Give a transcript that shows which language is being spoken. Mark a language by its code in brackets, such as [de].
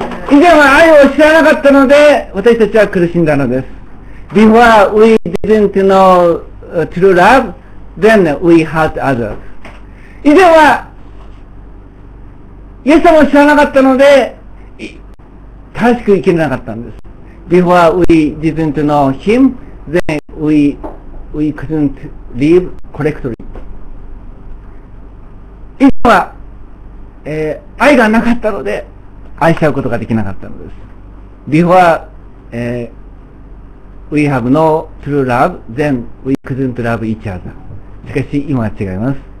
[ja] 以前は愛を知らなかったので、私たちは苦しんだのです。 [en] Before we didn't know true love, then we hurt others. [ja] 以前は、イエス様を知らなかったので、正しく生きれなかったんです。 [en] Before we didn't know him, then we couldn't live correctly. [ja] 以前は、愛がなかったので、愛し合うことができなかったのです。 [en] Before, We have no true love, then we couldn't love each other. [ja] しかし今は違います。